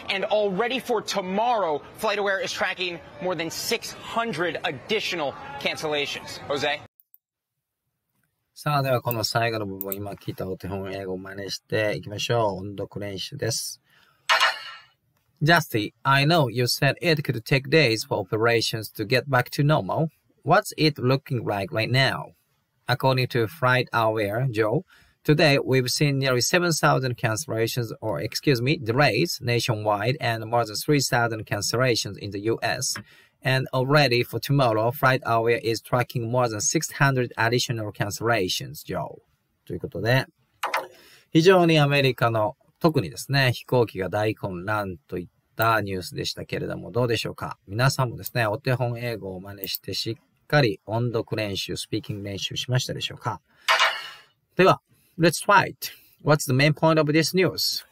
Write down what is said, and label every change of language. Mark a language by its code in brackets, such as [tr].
[en] And already for tomorrow, FlightAware is tracking more than 600 additional cancellations. Jose? [ja] さあ、ではこの最後の部分、今聞いたお手本英語を真似していきましょう。音読練習です。 [en] Justy, I know you said it could take days for operations to get back to normal. What's it looking like right now? According to FlightAware, Joe, today we've seen nearly 7,000 delays nationwide and more than 3,000 cancellations in the U.S. And already for tomorrow, FlightAware is tracking more than 600 additional cancellations, Joe. [ja] ということで、非常にアメリカの特にですね、飛行機が大混乱といったたニュースでしたけれども、どうでしょうか。皆さんもですね、お手本英語を真似してしっかり音読練習、スピーキング練習しましたでしょうか。では、 [en] Let's try it. What's the main point of this news?